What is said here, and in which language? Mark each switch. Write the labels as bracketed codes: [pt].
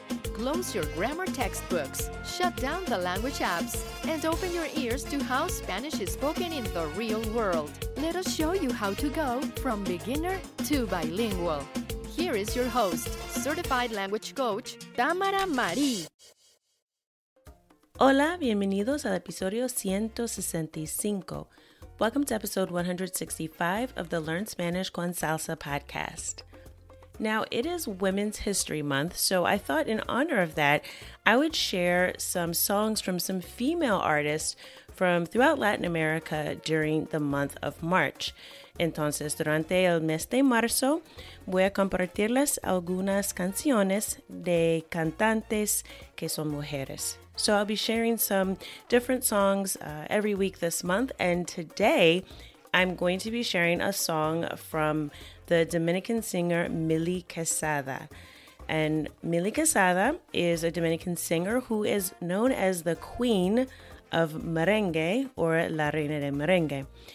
[en] Close your grammar textbooks, shut down the language apps, and open your ears to how Spanish is spoken in the real world. Let us show you how to go from beginner to bilingual. Here is your host, certified language coach, Tamara Marie. [es] Hola, bienvenidos al episodio 165. [en] Welcome to episode 165 of the Learn Spanish con Salsa podcast. Now, it is Women's History Month, so I thought in honor of that, I would share some songs from some female artists from throughout Latin America during the month of March. [es] Entonces, durante el mes de marzo, voy a compartirles algunas canciones de cantantes que son mujeres. [en] So I'll be sharing some different songs every week this month, and today I'm going to be sharing a song from the Dominican singer Milly Quesada. And Milly Quesada is a Dominican singer who is known as the Queen of Merengue, or [es] La Reina de Merengue.